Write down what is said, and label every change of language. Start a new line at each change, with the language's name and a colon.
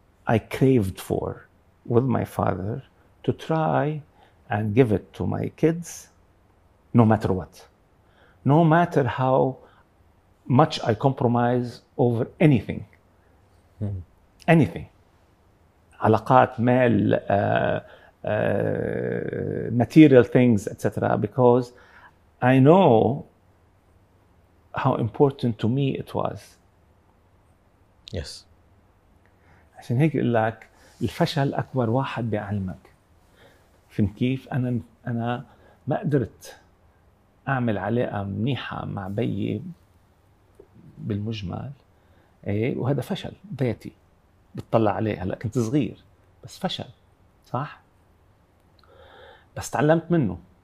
English: I craved for with my father to try and give it to my kids no matter what, no matter how much I compromise over anything, anything,
Arabic: علاقات، مال،
English: material things, etc. Because I know how important to me it was. Yes.
Arabic: عشان هيك يقول لك الفشل أكبر واحد بيعلمك. فهم كيف؟ أنا ما قدرت أعمل علاقة منيحة مع بي بالمجمل. إيه وهذا فشل ذاتي بتطلع عليه هلأ كنت صغير بس فشل صح؟ بس تعلمت منه.